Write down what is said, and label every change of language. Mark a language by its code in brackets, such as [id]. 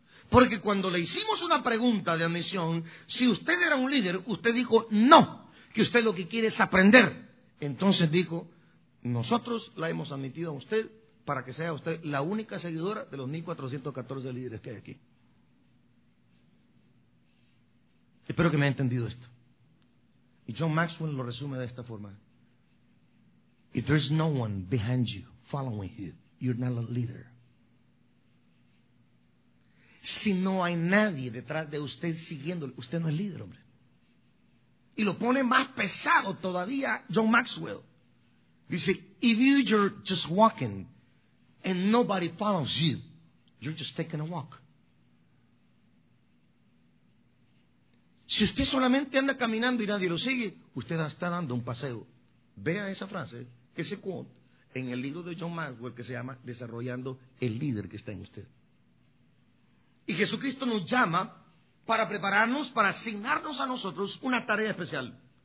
[es] Porque cuando le hicimos una pregunta de admisión, si usted era un líder, usted dijo no, que usted lo que quiere es aprender. Entonces dijo, nosotros la hemos admitido a usted para que sea usted la única seguidora de los 1,414 líderes que hay aquí. Espero que me haya entendido esto. Y John Maxwell lo resume de esta forma. [en] If there's no one behind you, following you, you're not a leader. [es] Si no hay nadie detrás de usted siguiéndole, usted no es líder, hombre. Y lo pone más pesado todavía John Maxwell. Dice, [en] if you're just walking and nobody follows you, you're just taking a walk. [es] Si usted solamente anda caminando y nadie lo sigue, usted está dando un paseo. Vea esa frase, ese quote, en el libro de John Maxwell que se llama Desarrollando el Líder que está en usted. Y Jesucristo nos llama para prepararnos, para asignarnos a nosotros una tarea especial.